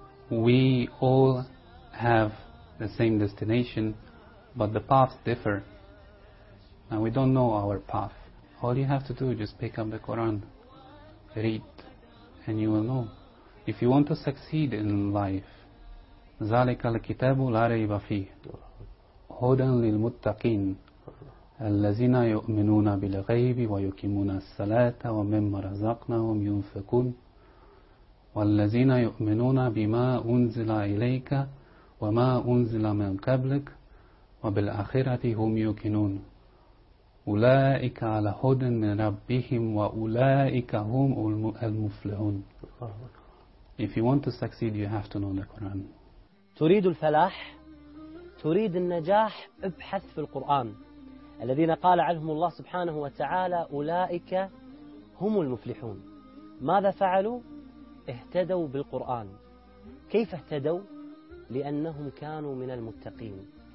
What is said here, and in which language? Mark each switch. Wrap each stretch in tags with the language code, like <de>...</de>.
<en>We all have the same destination, but the paths differ. Now, we don't know our path. All you have to do is just pick up the Quran, read, and you will know. If you want to succeed in life,</en> <ar>ذَلِكَ الْكِتَابُ لَا رَيْبَ فِيهِ هُدًى لِلْمُتَّقِينَ الَّذِينَ يُؤْمِنُونَ بِالْغَيْبِ وَيُقِيمُونَ الصَّلَاةَ وَمِمَّا رَزَقْنَاهُمْ يُنْفِقُونَ وَالَّذِينَ يُؤْمِنُونَ بِمَا أُنْزِلَ إِلَيْكَ وما أنزل من قبلك وبالآخرة هم يوقنون أولئك على هدى من ربهم وأولئك هم المفلحون.</ar> <en>If you want to succeed, you have to know the Quran.</en> <ar>تريد الفلاح، تريد النجاح، ابحث في القرآن الذين قال عنهم الله سبحانه وتعالى أولئك هم المفلحون. ماذا فعلوا؟ اهتدوا بالقرآن. كيف اهتدوا؟ لأنهم كانوا من المتقين.</ar>